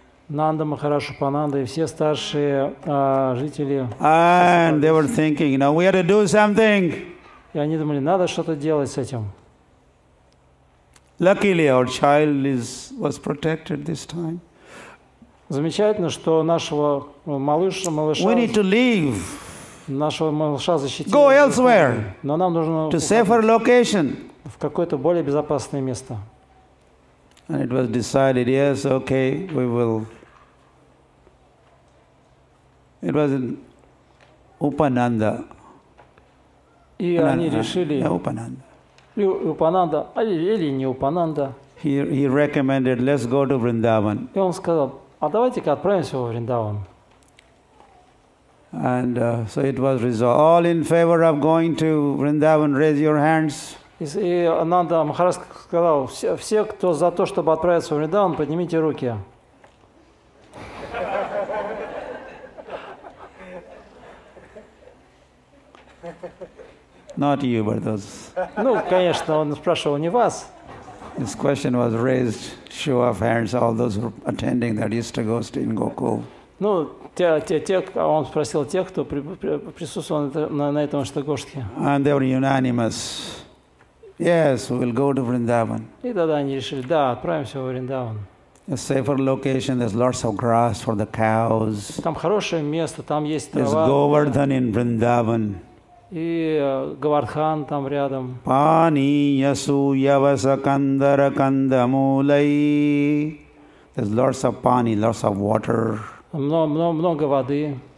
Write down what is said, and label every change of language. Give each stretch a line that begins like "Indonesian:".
Russian: Nanda Maharaj, Upananda и все старшие жители.
English: And they were thinking, now we had to do something.
Russian: И они думали, надо что-то делать с этим.
English: Luckily, our child was protected this time.
Russian: Замечательно, что нашего малыша
English: We need to leave.
Russian: Нашего малыша защитили.
English: Go elsewhere.
Russian: Но нам нужно
English: to safer location.
Russian: В какое-то более безопасное место.
English: And it was decided, yes, okay, we will. It was in Upananda.
Russian: И они решили. Upananda.
English: He recommended, let's go to Vrindavan.
Russian: И он сказал, а давайте-ка отправимся во Вриндаван.
English: And so it was resolved. All in favor of going to Vrindavan, raise your hands.
Russian: И Ананда Махарас сказал, все, кто за то, чтобы отправиться в Вриндаван, поднимите руки.
English: Not you, but those.
Russian: Ну, конечно, он спрашивал не вас.
English: This question was raised, show of hands, all those who are attending that Ishtagoshti in Gokul.
Russian: Ну, те, он спросил тех, кто присутствовал на этом Ishtagoshti.
English: And they were unanimous. Yes, we'll go to Vrindavan.
Russian: И тогда они решили, да, отправимся в Вриндаван.
English: A safer location, there's lots of grass for the cows.
Russian: Там хорошее место, там есть трава.
English: There's Govardhan in Vrindavan.
Russian: И Говардхан там рядом.
Sanskrit: Паниясу явасакандара кандамулай.
English: There's lots of pani, lots of water.
Russian: Много воды.